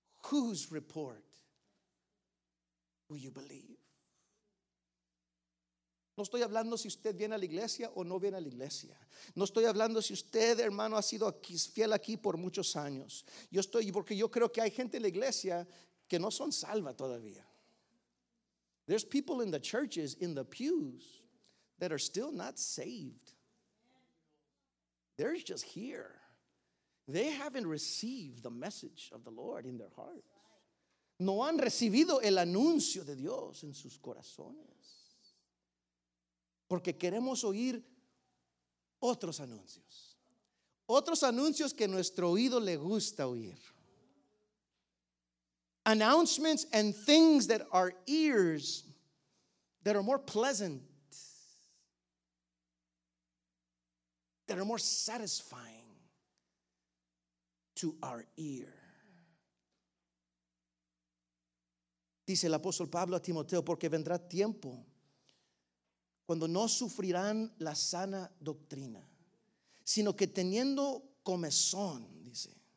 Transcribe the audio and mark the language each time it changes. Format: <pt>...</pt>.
<en>Whose report will you believe?</en> <es>No estoy hablando si usted viene a la iglesia o no viene a la iglesia. No estoy hablando si usted, hermano, ha sido aquí, fiel aquí por muchos años. Yo estoy, porque yo creo que hay gente en la iglesia que no son salva todavía.</es> <en>There's people in the churches, in the pews, that are still not saved. They're just here. They haven't received the message of the Lord in their hearts.</en> <es>No han recibido el anuncio de Dios en sus corazones. Porque queremos oír otros anuncios que nuestro oído le gusta oír.</es> <en>Announcements and things that our ears, that are more pleasant, that are more satisfying to our ear.</en> <es>Dice el apóstol Pablo a Timoteo, porque vendrá tiempo cuando no sufrirán la sana doctrina, sino que teniendo comezón, dice.</es>